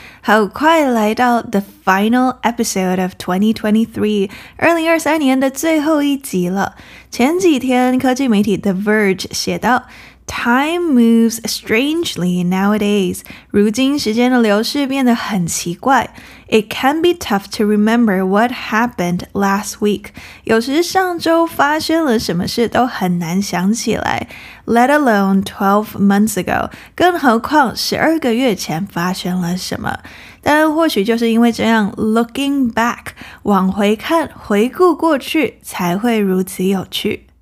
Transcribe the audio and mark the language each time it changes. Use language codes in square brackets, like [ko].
[zh] 好快来到 [en] the final episode of 2023, [zh] 2023年的最后一集了。前几天科技媒体 The Verge 写到 [en] Time moves strangely nowadays. [zh] 如今时间的流逝变得很奇怪。 [en] It can be tough to remember what happened last week. [zh] 有时上周发生了什么事都很难想起来。 [en] Let alone 12 months ago. [zh] 更何况12个月前发生了什么。但或许就是因为这样 [en] looking back, [zh] 往回看回顾过去才会如此有趣。